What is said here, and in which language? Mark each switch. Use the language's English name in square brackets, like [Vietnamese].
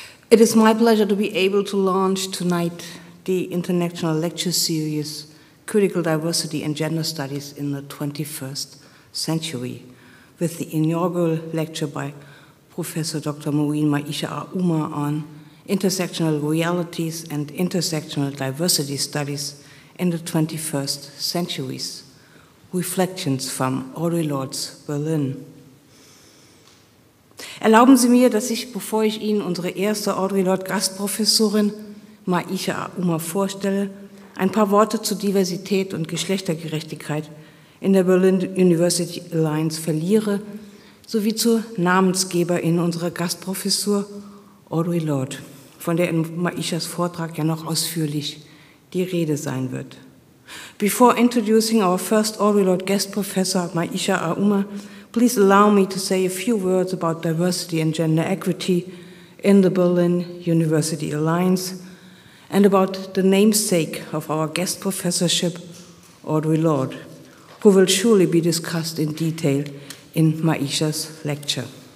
[English] It is my pleasure to be able to launch tonight the international lecture series Critical Diversity and Gender Studies in the 21st Century, with the inaugural lecture by Professor Dr. Maisha Auma on intersectional realities and intersectional diversity studies in the 21st centuries, reflections from Audre Lordes, Berlin. [German] Erlauben Sie mir, dass ich, bevor ich Ihnen unsere erste Audre Lorde Gastprofessorin Maisha Auma vorstelle, ein paar Worte zu Diversität und Geschlechtergerechtigkeit in der Berlin University Alliance verliere, sowie zur Namensgeberin unserer Gastprofessur Audre Lorde, von der in Maishas Vortrag ja noch ausführlich die Rede sein wird. [English] Before introducing our first Audre Lorde guest professor, Maisha Auma, please allow me to say a few words about diversity and gender equity in the Berlin University Alliance and about the namesake of our guest professorship, Audre Lorde, who will surely be discussed in detail in Maisha's lecture.